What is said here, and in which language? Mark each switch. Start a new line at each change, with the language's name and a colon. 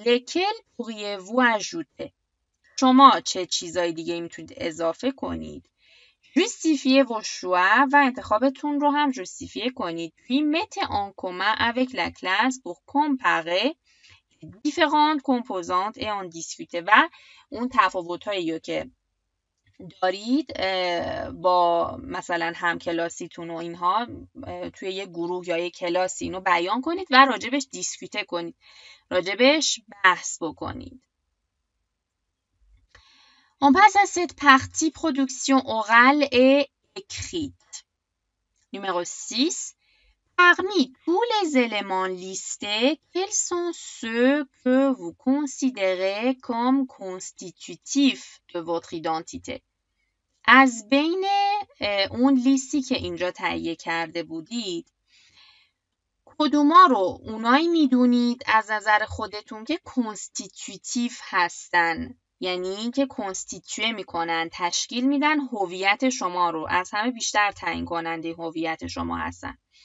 French: لکل پوریه و اجوته.
Persian: شما چه چیزای دیگه میتونید اضافه کنید؟
French: Justifiez vos choix
Persian: و انتخابتون رو هم justifiez کنید.
French: Puis mettez en commun avec la classe pour comparer différentes composantes et en discuter.
Persian: و اون تفاوتهایی که دارید با مثلا همکلاسیتون و اینها توی یه گروه یا یه کلاسی اینو بیان کنید و راجبش دیسکوته کنید. راجبش بحث بکنید.
French: On passe à cette partie production orale et écrite. Numéro 6. Parmi tous les éléments listés, quels sont ceux que vous considérez comme constitutifs de votre identité?
Persian: از بین اون لیستی که اینجا تهیه کرده بودید، کدوما رو اونایی میدونید از نظر خودتون که کنستیتیتیف هستن؟ یعنی این که کنستیتیوه میکنن تشکیل میدن هویت شما رو از همه بیشتر تعیین کننده هویت شما هستن.